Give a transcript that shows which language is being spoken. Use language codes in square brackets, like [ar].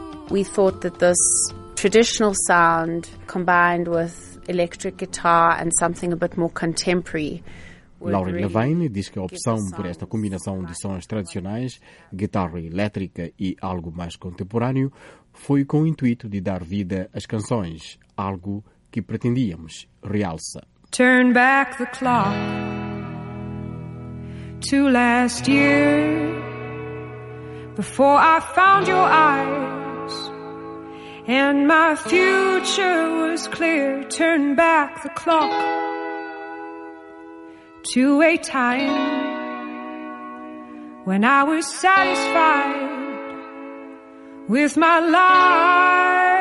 [en] We thought that this traditional sound combined with electric guitar and something a bit more contemporary. [pt] Laura Levine diz que a opção por esta combinação de sons tradicionais, guitarra elétrica e algo mais contemporâneo, foi com o intuito de dar vida às canções, algo que pretendíamos, realça. [en] Turn back the clock to last year before I found your eyes. And my future was clear. Turn back the clock to a time when I was satisfied with my life.